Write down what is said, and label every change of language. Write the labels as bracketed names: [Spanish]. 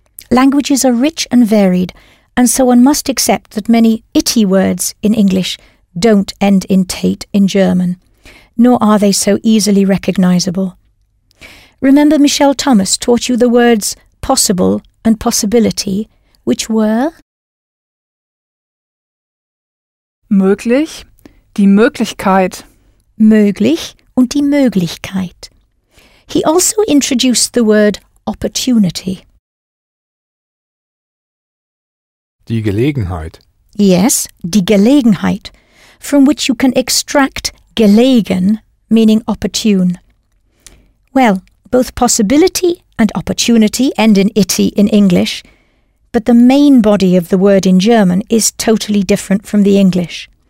[English] Languages are rich and varied, and so one must accept that many itty words in English don't end in Tate in German, nor are they so easily recognisable. Remember Michel Thomas taught you the words possible and possibility, which were? [German] Möglich, die Möglichkeit. Möglich und die Möglichkeit. [English] He also introduced the word opportunity. [German] Die Gelegenheit. [English] Yes, die Gelegenheit, from which you can extract gelegen, meaning opportune. Well, both possibility and opportunity end in itty in English, but the main body of the word in German is totally different from the English.